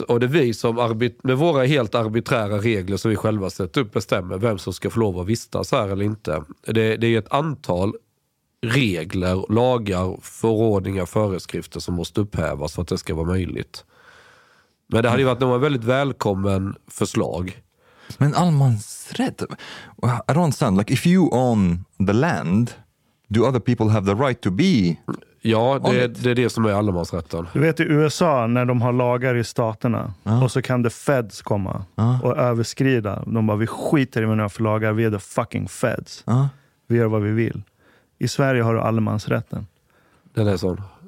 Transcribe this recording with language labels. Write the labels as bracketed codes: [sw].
[sv] Och det är vi som med våra helt arbiträra regler som vi själva sätter upp bestämmer vem som ska få lov att vistas här eller inte. Det är ett antal regler, lagar, förordningar, föreskrifter som måste upphävas för att det ska vara möjligt. Men det hade ju varit någon väldigt välkommen förslag. [en] Men allemansrätt, I don't understand. Like if you own the land, do other people have the right to be? [sv] Ja, det är det som är allemansrätten. Du vet i USA när de har lagar i staterna och så kan the feds komma och överskrida. De bara, vi skiter i vad ni har för lagar, vi är the fucking feds. Vi gör vad vi vill. I Sverige har du allemansrätten. Den är sån.